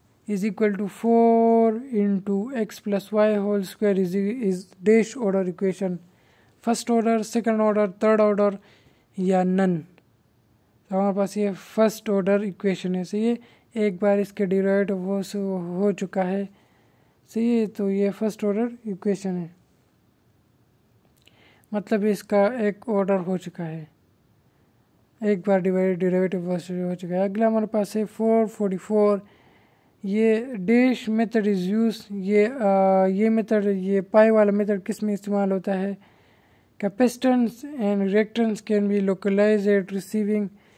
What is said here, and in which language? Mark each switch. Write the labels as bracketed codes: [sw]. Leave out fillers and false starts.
[en] is equal to 4 into x plus y whole square is dash order equation. First order, second order, third order, [hi] या [en] none. [hi] तो हमारे पास ये first order equation है. सही है, एक बार इसके derivative हो चुका है. सही है, तो ये first order equation है. मतलब इसका एक order हो चुका है. एक बार derivative हो चुका है. अगला हमारे पास है 444. ये [en] dash method is used. [hi] ये method, ये pi वाला method किस में इस्तेमाल होता है? [en] Capacitors and reactants can be localized at receiving.